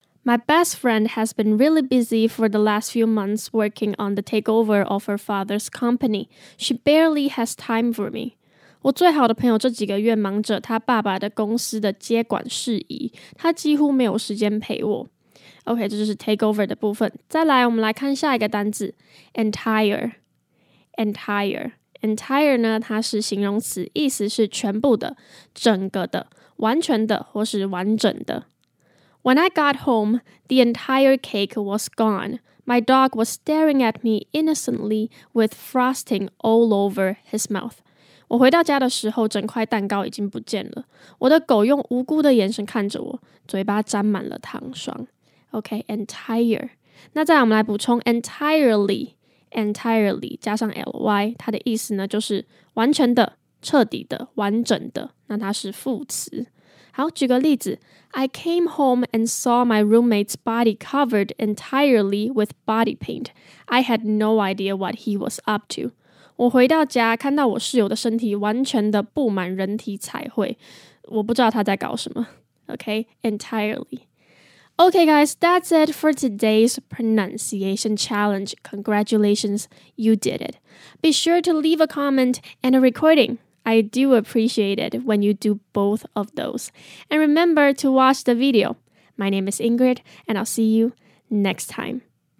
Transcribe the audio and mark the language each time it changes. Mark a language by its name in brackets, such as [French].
[English] My best friend has been really busy for the last few months working on the takeover of her father's company. She barely has time for me. [Chinese] 我最好的朋友这几个月忙着他爸爸的公司的接管事宜，他几乎没有时间陪我。 OK， 这就是 takeover 的部分。再来我们来看下一个单字， entire， entire， entire 呢它是形容词，意思是全部的、整个的、完全的或是完整的。 [English] When I got home, the entire cake was gone. My dog was staring at me innocently with frosting all over his mouth. [Chinese] 我回到家的时候，整块蛋糕已经不见了。我的狗用无辜的眼神看着我，嘴巴沾满了糖霜。 OK， entire。 那再来我们来补充 entirely， entirely 加上 ly， 它的意思呢就是完全的、彻底的、完整的。那它是副词。好，举个例子， [English] I came home and saw my roommate's body covered entirely with body paint. I had no idea what he was up to. [Chinese] 我回到家看到我室友的身体完全的布满人体彩绘，我不知道他在搞什么。 OK， entirely。 [English] OK guys， that's it for today's pronunciation challenge. Congratulations, you did it. Be sure to leave a comment and a recording. I do appreciate it when you do both of those. And remember to watch the video. My name is Ingrid, and I'll see you next time.